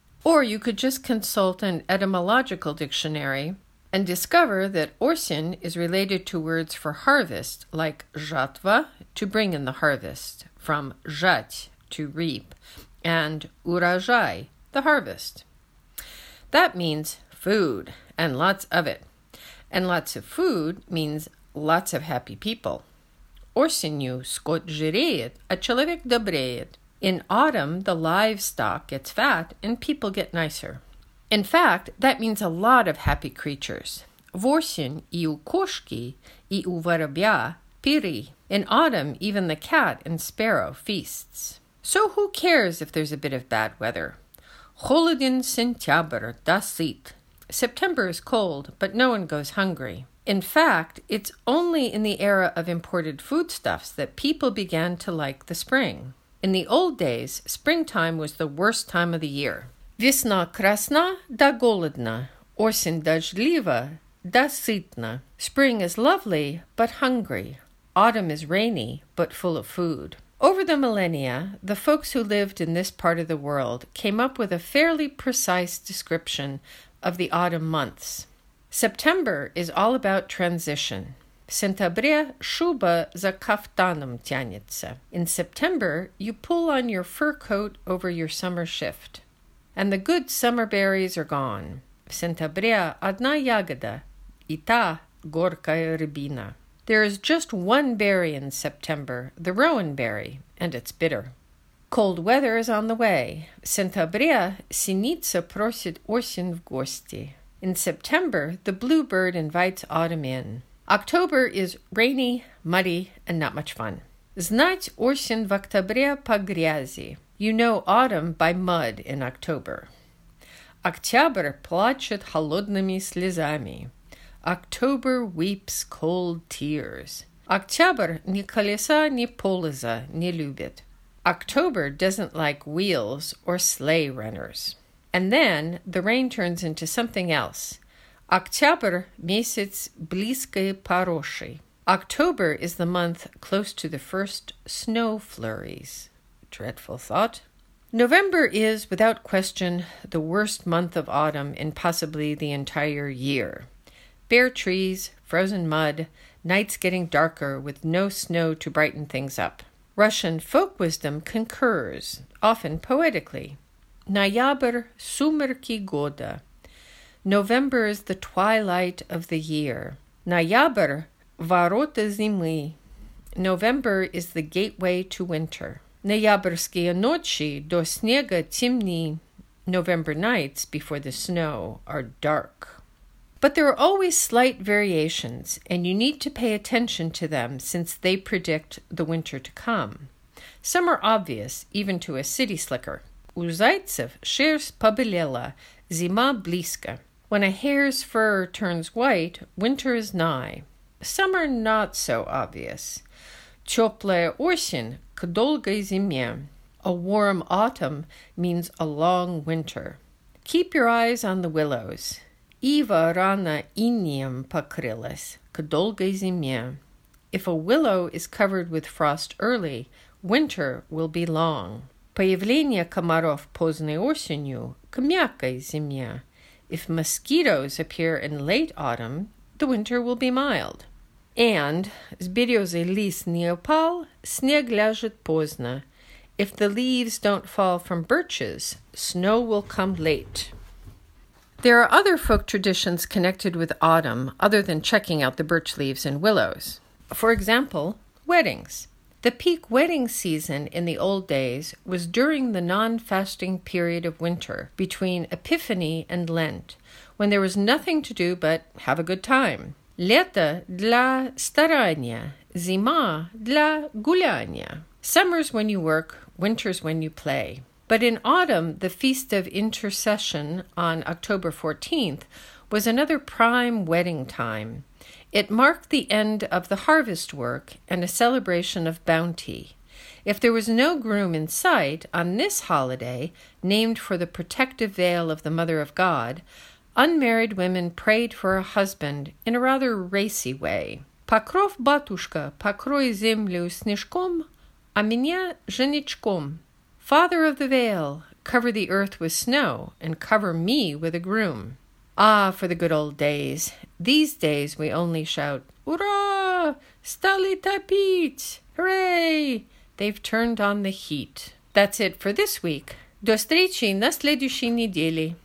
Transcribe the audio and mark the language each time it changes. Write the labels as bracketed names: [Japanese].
[English] Or you could just consult an etymological dictionary and discover that osin is related to words for harvest, like zhatva, to bring in the harvest, from zhat, to reap, and urajai, the harvest. That means food, and lots of it. And lots of food means lots of happy people. [Russian] Осенью скот жиреет, а человек добреет. [English] In autumn, the livestock gets fat and people get nicer. In fact, that means a lot of happy creatures. [Russian] В осень и у кошки, и у воробья пири. [English] In autumn, even the cat and sparrow feasts. So who cares if there's a bit of bad weather? [Russian] Холоден сентябрь, да сыт. [English] September is cold, but no one goes hungry. In fact, it's only in the era of imported foodstuffs that people began to like the spring. In the old days, springtime was the worst time of the year. [Russian] Весна красна да голодна, осень дождлива да сытна. [English] Spring is lovely, but hungry. Autumn is rainy, but full of food. Over the millennia, the folks who lived in this part of the world came up with a fairly precise description of the autumn months. September is all about transition. [Russian] Сентябрь шуба за кафтаном тянется. [English] In September, you pull on your fur coat over your summer shift. And the good summer berries are gone. [Russian] В сентябре одна ягода, и та горькая рябина. [English] There is just one berry in September, the rowan berry, and it's bitter. Cold weather is on the way. [Russian] Сентябрь синица просит осень в гости. [English] In September, the bluebird invites autumn in. October is rainy, muddy, and not much fun. [Russian] Знать осень в октябре по грязи. [English] You know autumn by mud in October. [Russian] Октябрь плачет холодными слезами. [English] October weeps cold tears. [Russian] Октябрь ни колеса, ни полоза не любит. [English] October doesn't like wheels or sleigh runners. And then the rain turns into something else. [Russian] Октябрь месяц близкой пороши. [English] October is the month close to the first snow flurries. Dreadful thought. November is, without question, the worst month of autumn in possibly the entire year. Bare trees, frozen mud, nights getting darker with no snow to brighten things up. Russian folk wisdom concurs, often poetically. [Russian] Ноябрь сумерки года. [English] November is the twilight of the year. [Russian] Ноябрь ворота зимы. [English] November is the gateway to winter. [Russian] Ноябрьские ночи до снега темны. [English] November nights before the snow are dark. But there are always slight variations, and you need to pay attention to them since they predict the winter to come. Some are obvious, even to a city slicker. [Russian] У зайцев шерсть побелела, зима близко. [English] When a hare's fur turns white, winter is nigh. Some are not so obvious. [Russian] Теплая осень к долгой зиме. [English] A warm autumn means a long winter. Keep your eyes on the willows. [Russian] Ива рана инеем покрылась к долгой зиме. [English] If a willow is covered with frost early, winter will be long. [Russian] Появление комаров поздней осенью к мягкой зиме. [English] If mosquitoes appear in late autumn, the winter will be mild. And [Russian] сберёзы лист не упал, снег ляжет поздно. [English] If the leaves don't fall from birches, snow will come late. There are other folk traditions connected with autumn other than checking out the birch leaves and willows. For example, weddings. The peak wedding season in the old days was during the non-fasting period of winter, between Epiphany and Lent, when there was nothing to do but have a good time. [Russian] Лето для старания, зима для гуляния. [English] Summer's when you work, winter's when you play. But in autumn, the Feast of Intercession on October 14th was another prime wedding time. It marked the end of the harvest work and a celebration of bounty. If there was no groom in sight on this holiday, named for the protective veil of the Mother of God, unmarried women prayed for a husband in a rather racy way. [Russian] Покров батюшка, покрой землю снежком, а меня женичком. [English] Father of the veil, cover the earth with snow and cover me with a groom. Ah, for the good old days. These days we only shout, Ура! [Russian] Стали топить! [English] Hooray! They've turned on the heat. That's it for this week. [Russian] До встречи на следующей неделе.